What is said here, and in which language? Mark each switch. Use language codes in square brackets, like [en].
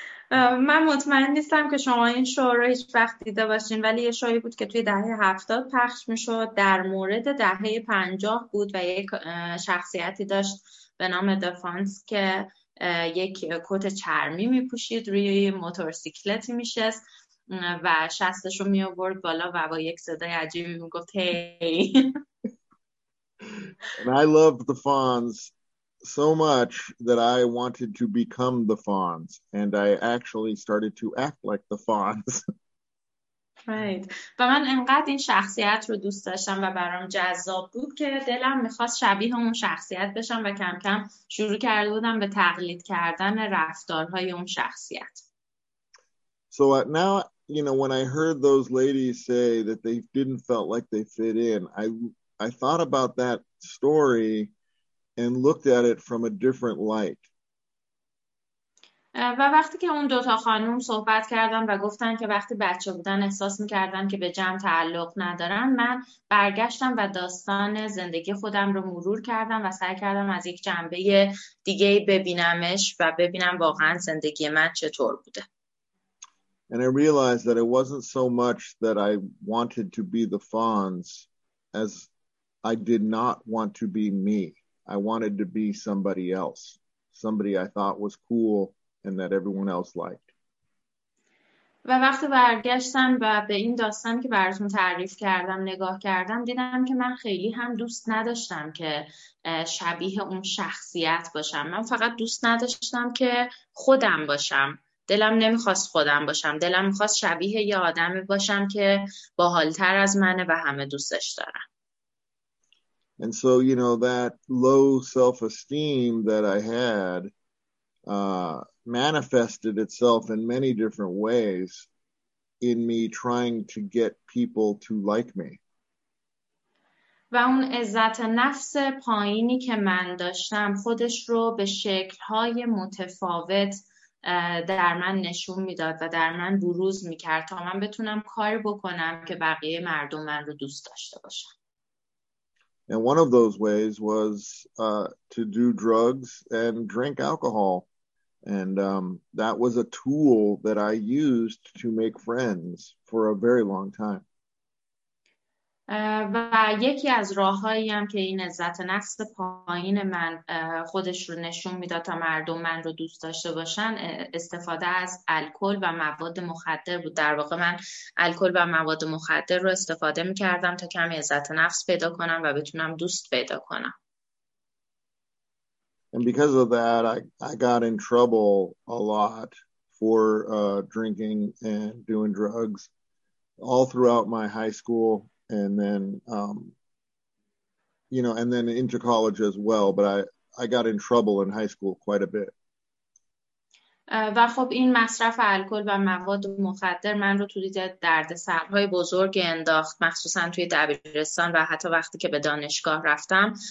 [fa] من مطمئن نیستم که شما این شو رو هیچ وقت دیده باشین، ولی یه شوی بود که توی دهه 70 پخش می‌شد، در مورد دهه 50 بود و یک شخصیتی داشت به نام دفانس که یک کت چرمی می‌پوشید، روی موتورسیکلتی می‌نشست و شستش رو می آورد بالا و با یک صدای عجیبی می گفت هی. [en] And I loved the Fonz so much that I wanted to become the Fonz, and I actually started to act like the Fonz. Right. [fa] و من انقدر این شخصیت رو دوست داشتم و برام جذاب بود که دلم میخواست شبیه اون شخصیت بشم و کم کم شروع کرده بودم به تقلید کردن رفتارهای اون شخصیت. [en] So now, you know, when I heard those ladies say that they didn't felt like they fit in, I thought about that story and looked at it from a different light. [fa] و وقتی که اون دوتا خانوم صحبت کردن و گفتن که وقتی بچه بودن احساس میکردن که به جمع تعلق ندارن، من برگشتم و داستان زندگی خودم رو مرور کردم و سعی کردم از یک جنبه دیگه ببینمش و ببینم واقعا زندگی من چطور بوده. [en] And I realized that it wasn't so much that I wanted to be the Fonz as I did not want to be me. I wanted to be somebody else, somebody I thought was cool and that everyone else liked. [fa] و وقتی برگشتم و به این داستان که براتون تعریف کردم نگاه کردم، دیدم که من خیلی هم دوست نداشتم که شبیه اون شخصیت باشم. من فقط دوست نداشتم که خودم باشم. دلم نمیخواست خودم باشم. دلم میخواست شبیه یه آدمی باشم که باحالتر از منه و همه دوستش دارن. [en] And so, you know, that low self-esteem that I had manifested itself in many different ways in me trying to get people to like me. [fa] و اون عزت نفس پایینی که من داشتم خودش رو به شکل‌های متفاوت در من نشون میداد و در من بروز میکرد تا من بتونم کار بکنم که بقیه مردم من رو دوست داشته باشن. [en] And one of those ways was to do drugs and drink alcohol. And that was a tool that I used to make friends for a very long time. [fa] و یکی از راه‌هایی هم که این عزت نفس پایین من خودش رو نشون میداد تا مردم من رو دوست داشته باشن، استفاده از الکل و مواد مخدر بود. در واقع من الکل و مواد مخدر رو استفاده می‌کردم تا کمی عزت نفس پیدا کنم و بتونم دوست پیدا کنم. [en] And because of that, I got in trouble a lot for drinking and doing drugs all throughout my high school. And then, you know, and then into college as well. But I got in trouble in high school quite a bit. [fa] و خب این مصرف الکل و مواد مخدر من رو توی دردسرهای بزرگ انداخت، مخصوصا توی دبیرستان و حتی وقتی که به دانشگاه رفتم.